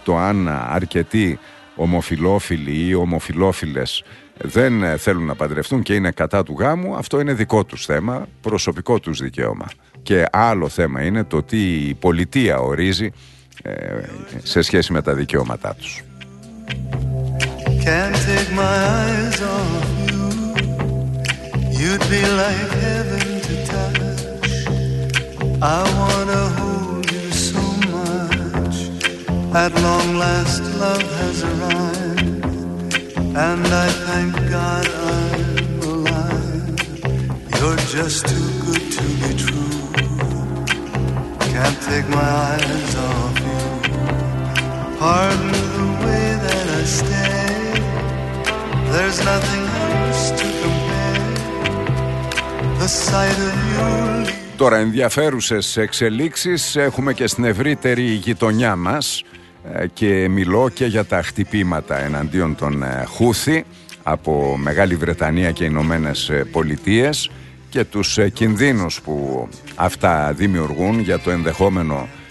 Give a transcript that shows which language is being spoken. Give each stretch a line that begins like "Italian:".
Greek: Το αν αρκετοί ομοφυλόφιλοι ή ομοφυλόφιλες δεν θέλουν να παντρευτούν και είναι κατά του γάμου, αυτό είναι δικό τους θέμα, προσωπικό τους δικαίωμα. Και άλλο θέμα είναι το τι η πολιτεία ορίζει σε σχέση με τα δικαιώματά τους.
English: Can't take my eyes off you. You'd be like heaven. I wanna hold you so much. At long last love has arrived, and I thank God I'm alive. You're just too good to be true. Can't take my eyes off you. Pardon the way that I stay. There's nothing else to compare. The sight of you.
Greek: Τώρα, ενδιαφέρουσες εξελίξεις έχουμε και στην ευρύτερη γειτονιά μας, και μιλώ και για τα χτυπήματα εναντίον των Χούθη από Μεγάλη Βρετανία και Ηνωμένες Πολιτείες και τους κινδύνους που αυτά δημιουργούν για το ενδεχόμενο